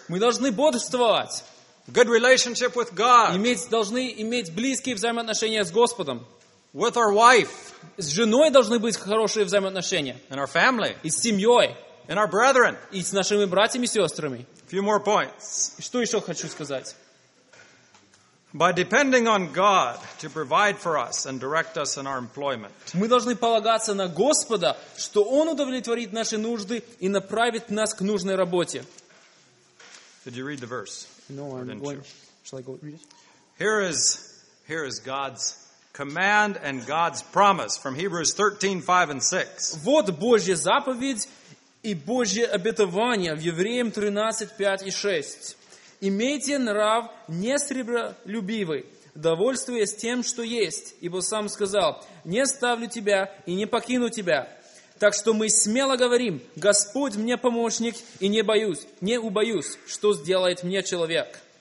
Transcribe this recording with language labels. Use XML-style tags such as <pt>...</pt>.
<ru>Мы должны бодрствовать.</ru> <en>Good relationship with God.</en> <ru>Должны иметь близкие взаимоотношения с Господом.</ru> <en>With our wife.</en> <ru>С женой должны быть хорошие взаимоотношения.</ru> <en>And our family.</en> <ru>И с семьей.</ru> <en>And our brethren.</en> <ru>И с нашими братьями и сестрами.</ru> <en>Few more points.</en> <ru>Что еще хочу сказать?</ru> <en>By depending on God to provide for us and direct us in our employment.</en> <ru>Мы должны полагаться на Господа, что Он удовлетворит наши нужды и направит нас к нужной работе.</ru> <en>Did you read the verse? No, I'm going. Shall I go read it? Here is God's command and God's promise from Hebrews 13:5-6.</en> <ru>Вот Божья заповедь и Божье обетование в Евреям 13:5-6. Имейте нрав не сребролюбивый, довольствуясь тем, что есть, ибо сам сказал: не ставлю тебя и не покину тебя. Так что мы смело говорим: Господь мне помощник, и не убоюсь, что сделает мне человек.</ru>